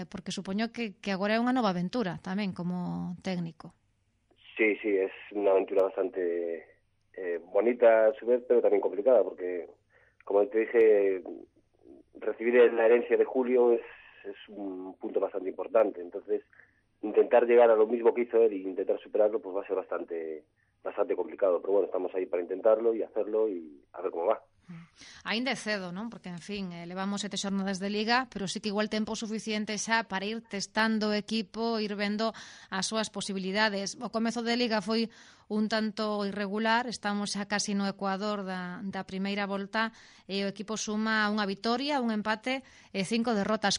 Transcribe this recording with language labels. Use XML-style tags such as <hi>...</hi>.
<gl>Porque supoño que agora é unha nova aventura tamén como técnico.</gl> <es>Sí, sí,</es> <gl>é unha aventura bastante bonita a su vez, pero tamén complicada porque,</gl> <es>como te dije, recibir la herencia de Julio es un punto bastante importante. Entonces, intentar llegar a lo mismo que hizo él e intentar superarlo, pues va a ser bastante, bastante complicado. Pero bueno, estamos ahí para intentarlo y hacerlo y a ver cómo va.</es> <gl>Ainda é cedo, non? Porque, en fin, levamos 7 xornadas de liga, pero sí que igual tempo suficiente xa para ir testando o equipo, ir vendo as súas posibilidades. O comezo de liga foi un tanto irregular, estamos xa casi no Ecuador da primeira volta, e o equipo suma unha vitoria, un empate e 5 derrotas.</gl>